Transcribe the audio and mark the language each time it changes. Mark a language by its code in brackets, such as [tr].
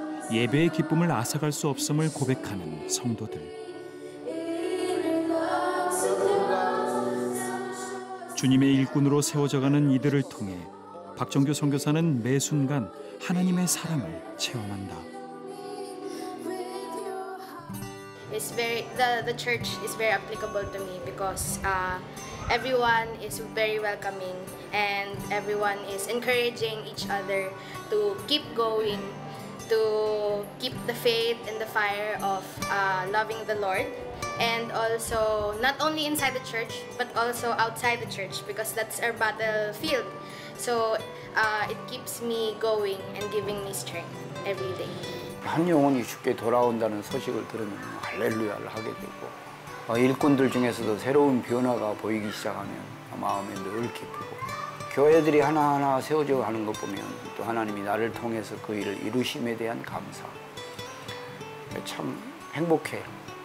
[ko] 예배의 기쁨을 앗아갈 수 없음을 고백하는 성도들. 주님의 일꾼으로 세워져가는 이들을 통해 박정규 선교사는 매 순간 하나님의 사랑을 체험한다. [en] It's very, the church is very applicable to me because everyone is very welcoming and everyone is encouraging each other to keep going, to keep the faith and the fire of loving the Lord. And also, not only inside the church, but also outside the church, because that's our battlefield. So it keeps me going and giving me strength every day. [ko] 한 영혼이 주께 돌아온다는 소식을 들으면 할렐루야를 하게 되고, 일꾼들 중에서도 새로운 변화가 보이기 시작하면 마음이 늘 기쁘고, 교회들이 하나하나 세워져 가는 것 보면 또 하나님이 나를 통해서 그 일을 이루심에 대한 감사, 참 행복해요.